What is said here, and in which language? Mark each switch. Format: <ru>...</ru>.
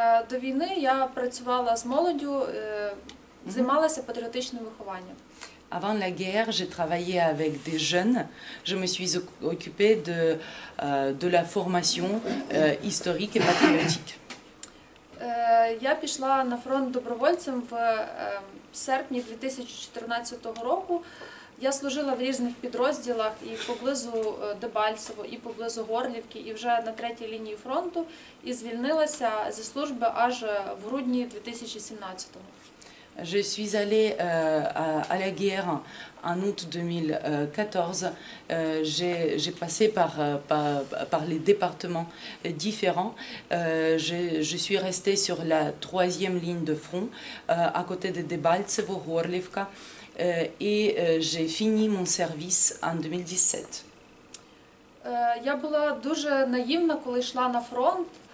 <uk>До війни я працювала з молоддю, займалася патріотичним вихованням.</uk> <fr>Avant la guerre, j'ai travaillé avec des jeunes. Je me suis occupée de la formation historique et patriotique.</fr> <uk>Я пішла на фронт добровольцем в серпні 2014 року. Я служила в різних підрозділах і поблизу Дебальцево, і поблизу Горлівки, і вже на третій лінії фронту, і звільнилася зі служби аж в грудні 2017-го.</uk> <fr>Je suis allée à la guerre en août 2014. J'ai passé par les départements différents. Je suis restée sur la troisième ligne de front, à côté de Debaltsevo, Gorlivka. Et j'ai fini mon service en 2017.</fr> <uk>Я була дуже наївна, коли йшла на фронт.</uk>